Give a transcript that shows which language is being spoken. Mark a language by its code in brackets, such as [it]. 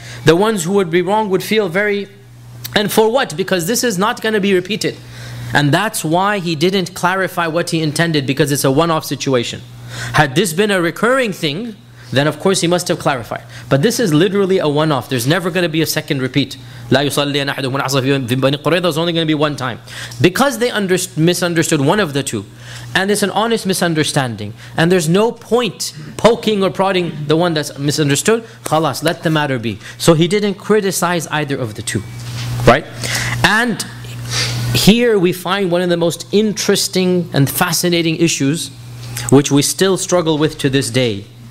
[en] The ones who would be wrong would feel very... And for what? Because this is not going to be repeated. And that's why he didn't clarify what he intended, because it's a one-off situation. Had this been a recurring thing, then of course he must have clarified. But this is literally a one-off. There's never going to be a second repeat. [ar] لا يصلين أحدهم من عصر في بني قريظة. [en] It's only going to be one time. Because they misunderstood one of the two, and it's an honest misunderstanding, and there's no point poking or prodding the one that's misunderstood, خلاص, let the matter be. So he didn't criticize either of the two. Right? And here we find one of the most interesting and fascinating issues which we still struggle with to this day.